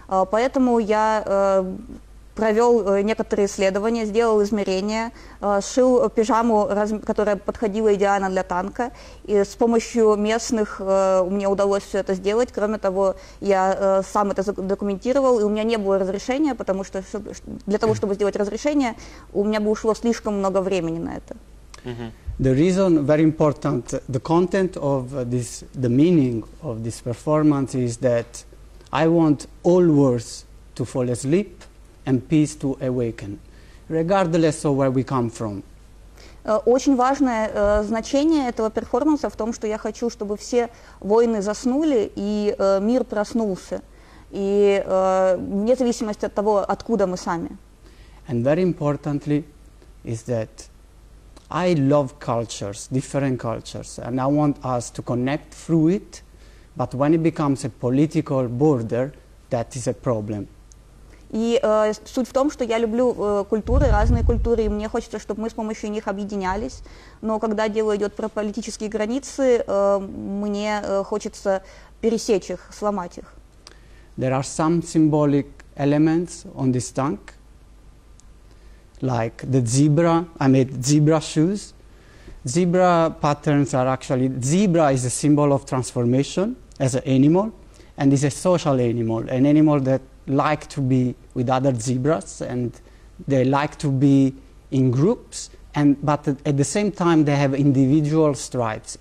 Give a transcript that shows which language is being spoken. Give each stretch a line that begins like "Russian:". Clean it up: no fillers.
Russian: Поэтому я провел некоторые исследования, сделал измерения, сшил пижаму, которая подходила идеально для танка. И с помощью местных мне удалось все это сделать. Кроме того, я сам это документировал, и у меня не было разрешения, потому что для того, чтобы сделать разрешение, у меня бы ушло слишком много времени на это.
English: The reason, very important, the content of this, the meaning of this performance is that I want all wars to fall asleep, and peace to awaken, regardless of where we come from.
Russian: Очень важное значение этого перформанса в том, что я хочу, чтобы все войны заснули и мир проснулся, и вне зависимости от того, откуда мы сами.
English: And very importantly is that I love cultures, different cultures, and I want us to connect through it, but when it becomes a political border, that is a problem.
Russian: И суть в том, что я люблю культуры, разные культуры, и мне хочется, чтобы мы с помощью них объединялись. Но когда дело идет про политические границы, мне хочется пересечь их, сломать их.
English: There are some symbolic elements on this tank, like the zebra. I made zebra shoes. Zebra patterns are actually, zebra is a symbol of transformation as an animal, and is a social animal, an animal that like to be with other zebras, and they like to be in groups, and but at the same time they have individual stripes.